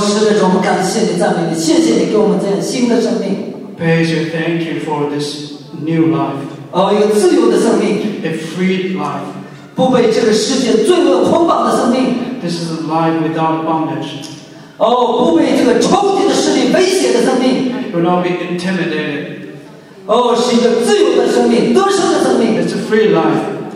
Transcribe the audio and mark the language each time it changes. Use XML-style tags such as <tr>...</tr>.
<zh>是的主，我们感谢你，赞美你，谢谢你给我们这样新的生命。</zh> <en>Praise you, thank you for this new life.</en> <zh>一个自由的生命。</zh> <en>A free life.</en> <zh>不被这个世界罪恶捆绑的生命。</zh> <en>This is a life without bondage.</en> <zh>不被这个仇敌的势力威胁的生命。</zh> <en>Will not be intimidated.</en> <zh>是一个自由的生命，得胜的生命。</zh> <en>It's a free life.</en>